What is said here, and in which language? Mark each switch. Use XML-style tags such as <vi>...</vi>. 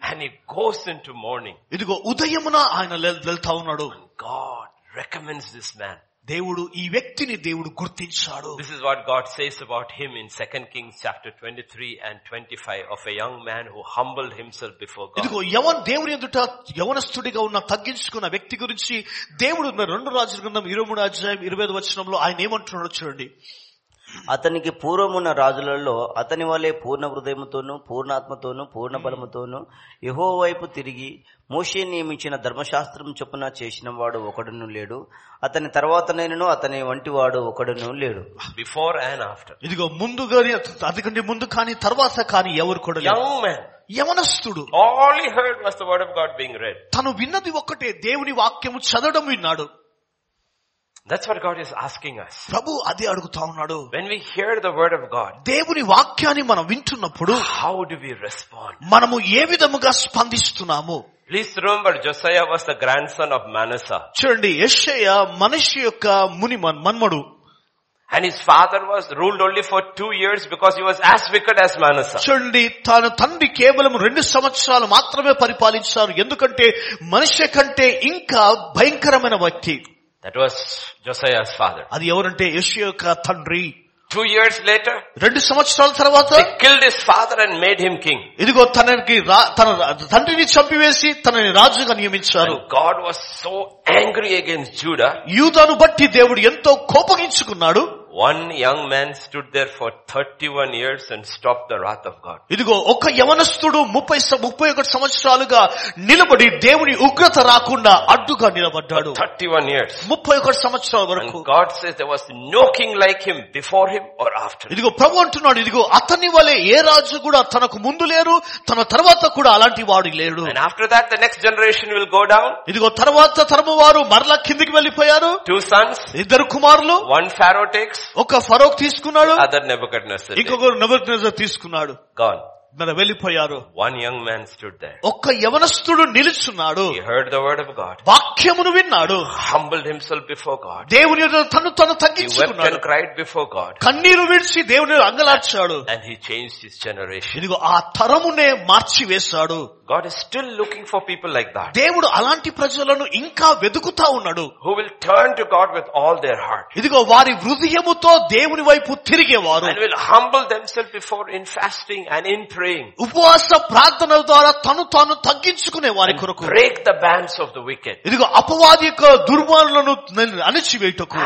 <en>And he goes into mourning.</en> <te>ఇదిగో ఉదయమున ఆయన వెళ్తా ఉన్నాడు.</te> <en>God recommends this man.</en> <te>దేవుడు ఈ వ్యక్తిని దేవుడు గుర్తించాడు.</te> <en>This is what God says about him in 2 Kings chapter 23 and 25 of a young man who humbled himself before God.</en> <te>ఇదిగో యవన దేవుని ఎదుట యవనస్తుడిగా ఉన్న తగ్గించుకున్న వ్యక్తి గురించి దేవుడు రెండు రాజుల గ్రంథం 23:25 వచనంలో ఆయన ఏమంటున్నాడో చూడండి. అతనికి పూర్వమున్న రాజులలో అతని వలె పూర్ణ హృదయముతోనూ పూర్ణాత్మతోనూ పూర్ణ బలముతోనూ యెహోవా వైపు తిరిగి మోషే నియమించిన ధర్మశాస్త్రం చొప్పున చేసిన వాడు ఒకడును లేడు. అతని తర్వాత నేను అతని వంటి వాడు ఒకడును లేడు.</te> <en>before and after</en> <te>ఇదిగో ముందు గాని అతికంటే ముందు కాని తర్వాత కాని ఎవరు కూడా యవనస్తుడు.</te> <en>all he heard was the word of God being read</en> <te>తను విన్నది ఒక్కటే దేవుని వాక్యము చదవడం విన్నాడు.</te> <en>That's what God is asking us.</en> <te>ప్రభు అది అడుగుతా ఉన్నాడు.</te> <en>When we hear the word of God,</en> <te>దేవుని వాక్యాన్ని మనం వింటున్నప్పుడు,</te> <en>how do we respond?</en> <te>మనము ఏ విధముగా స్పందిస్తున్నాము?</te> <en>Please remember, Josiah was the grandson of Manasseh.</en> <te>చూడండి యెషయా మనష్షే యొక్క మనుమడు.</te> <en>And his father was ruled only for 2 years because he was as wicked as Manasseh.</en> <te>చూడండి తన తండ్రి కేవలం 2 సంవత్సరాలు మాత్రమే పరిపాలించారు. ఎందుకంటే మనష్షే కంటే ఇంకా భయంకరమైన వ్యక్తి.</te> <en>That was Josiah's father.</en> <te>అది ఎవరంటే యెషయా తండ్రి.</te> <en>2 years later,</en> <te>2 సంవత్సరాల తర్వాత,</te> <en>they killed his father and made him king.</en> <te>ఇదిగో తనకి తన తండ్రిని చంపివేసి తనని రాజుగా నియమించారు.</te> <en>God was so angry against Judah.</en> <te>యూదాను బట్టి దేవుడు ఎంతో కోపగించుకున్నాడు.</te> <en>One young man stood there for 31 years and stopped the wrath of God.</en> <te>ఇదిగో ఒక యవనస్తుడు 31 సంవత్సరాలుగా నిలబడి దేవుని ఉగ్రత రాకుండా అడ్డుగా నిలబడ్డాడు.</te> <en>31 years.</en> <te>31 సంవత్సరాల వరకు.</te> <en>And God says there was no king like him before him or after.</en> <te>ఇదిగో ప్రభు అంటున్నాడు ఇదిగో అతని వలె ఏ రాజు కూడా తనకు ముందు లేరు తన తర్వాత కూడా అలాంటి వాడు లేడు.</te> <en>And after that the next generation will go down.</en> <te>ఇదిగో తర్వాత తరము వారు మరల కిందకి వెళ్లిపోయారు.</te> <en>Two sons.</en> <te>ఇద్దరు కుమారులు.</te> <en>One Pharaoh takes.</en> <te>ఒక ఫరోక్ తీసుకున్నాడు</te> <en>other Nebuchadnezzar</en> <te>ఇంకొకరు నెబుకద్నెజర్ తీసుకున్నాడు</te> <en>gone</en> <te>మరి వెళ్ళిపోయారు</te> <en>one young man stood there</en> <te>ఒక యవనస్తుడు నిలుచున్నాడు</te> <en>he heard the word of God</en> <te>వాక్యమును విన్నాడు</te> <en>humbled himself before God</en> <te>దేవుని ఎదుట తన్ను తగ్గించుకున్నాడు</te> <en>he wept cried before God</en> <te>కన్నీరు విడిచి దేవుని ఎదుట అంగలార్చాడు</te> <en>and he changed his generation</en> <te>ఇదిగో ఆ తరమునే మార్చివేశాడు</te> <en>God is still looking for people like that.</en> <te>దేవుడు అలాంటి ప్రజలను ఇంకా వెతుకుతా ఉన్నాడు.</te> <en>Who will turn to God with all their heart.</en> <te>ఇదిగో వారి హృదయముతో దేవుని వైపు తిరిగేవారు.</te> <en>And will humble themselves before in fasting and in praying.</en> <te>ఉపవాస ప్రార్థనల ద్వారా తను తాను తగ్గించుకునే వారి కొరకు.</te> <en>Break the bands of the wicked.</en> <te>ఇదిగో అపవాది యొక్క దుర్మార్గులను అణచివేయుటకు.</te>